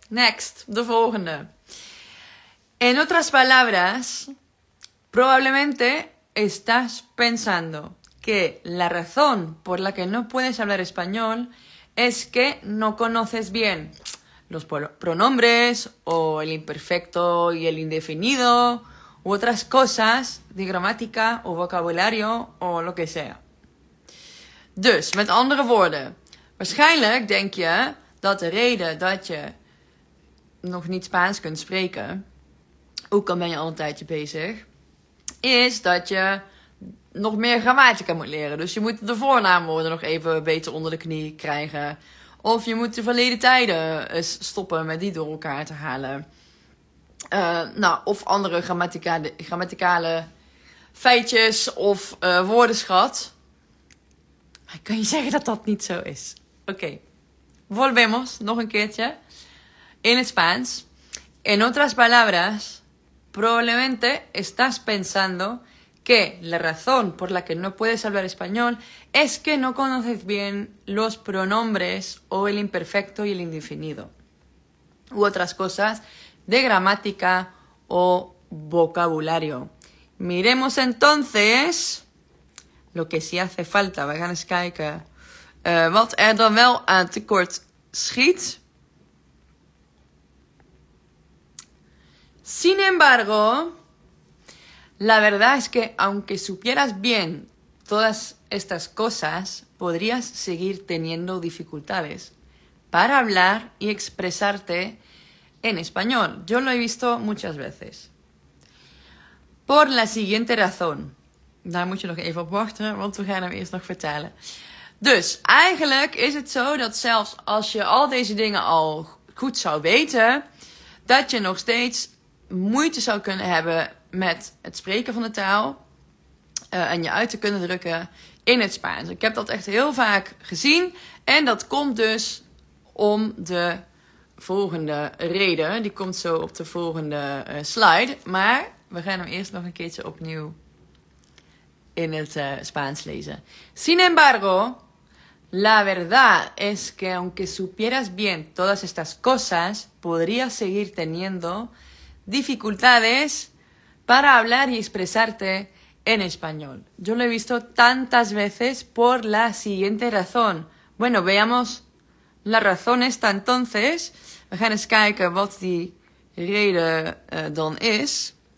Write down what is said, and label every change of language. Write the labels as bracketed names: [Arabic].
[English] Next, [Dutch] de volgende. [Spanish] En otras palabras, probablemente estás pensando que la razón por la que no puedes hablar español es que no conoces bien los pronombres o el imperfecto y el indefinido u otras cosas de gramática o vocabulario o lo que sea. [Dutch] Dus, met andere woorden, waarschijnlijk denk je dat de reden dat je nog niet Spaans kunt spreken, ook al ben je al een tijdje bezig, is dat je nog meer grammatica moet leren. Dus je moet de voornaamwoorden nog even beter onder de knie krijgen. Of je moet de verleden tijden eens stoppen met die door elkaar te halen. Of andere grammaticale feitjes of woordenschat. Maar ik kan je zeggen dat dat niet zo is. Oké. Okay. [Spanish] Volvemos [Dutch] nog een keertje. In het Spaans. [Spanish] En otras palabras, probablemente estás pensando que la razón por la que no puedes hablar español es que no conoces bien los pronombres o el imperfecto y el indefinido. U otras cosas de gramática o vocabulario. Miremos entonces lo que sí hace falta. [Dutch] We gaan eens kijken wat er dan wel aan tekort schiet. [Spanish] Sin embargo, la verdad es que aunque supieras bien todas estas cosas, podrías seguir teniendo dificultades para hablar y expresarte en español. Yo lo he visto muchas veces. Por la siguiente razón. [Dutch] Daar moet je nog even op wachten, want we gaan hem eerst nog vertalen. Dus, eigenlijk is het zo dat zelfs als je al deze dingen al goed zou weten, dat je nog steeds moeite zou kunnen hebben met het spreken van de taal en je uit te kunnen drukken in het Spaans. Ik heb dat echt heel vaak gezien en dat komt dus om de volgende reden. Die komt zo op de volgende slide, maar we gaan hem eerst nog een keertje opnieuw in het Spaans lezen. [Spanish] Sin embargo, la verdad es que aunque supieras bien todas estas cosas, podrías seguir teniendo dificultades para hablar y expresarte en español. Yo lo he visto tantas veces por la siguiente razón. Bueno, veamos la razón esta entonces. [Dutch] We gaan eens kijken wat die reden dan is.